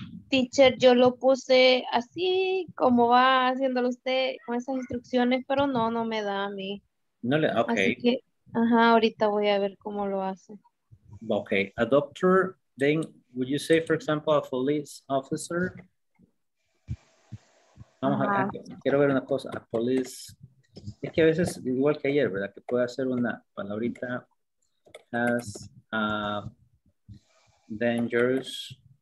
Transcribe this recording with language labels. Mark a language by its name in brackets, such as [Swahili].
[Spanish] Teacher, yo lo puse así como va haciéndolo usted con esas instrucciones, pero no me da a mí. No le, okay. Así que, ajá, ahorita voy a ver cómo lo hace. [English] Okay, a doctor, then would you say, for example, a police officer? [Spanish] Vamos a quiero ver una cosa, [English] a police. [Spanish] Es que a veces, igual que ayer, ¿verdad? Que puede hacer una palabrita, [English] has a... Dangerous.